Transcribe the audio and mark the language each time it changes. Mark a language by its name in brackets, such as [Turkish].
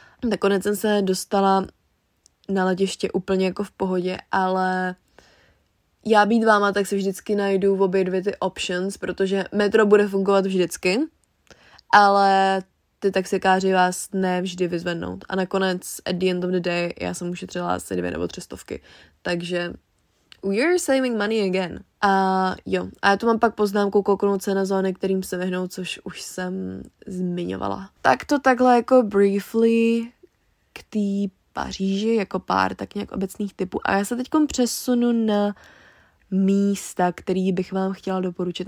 [Czech] Nakonec jsem se dostala na letiště úplně jako v pohodě, ale já být váma, tak si vždycky najdu v obě dvě ty options, protože metro bude fungovat vždycky, ale ty taxikáři vás ne vždy vyzvednout. A nakonec, [English] at the end of the day, [Czech] já jsem ušetřila asi 200 nebo 300. [English] Takže, we're saving money again. [Czech] A jo, a já tu mám pak poznámku kouknout se na zóny, kterým se vyhnout, což už jsem zmiňovala. Tak to takhle jako briefly k té Paříži, jako pár tak nějak obecných typů. A já se teď přesunu na místa, který bych vám chtěla doporučit.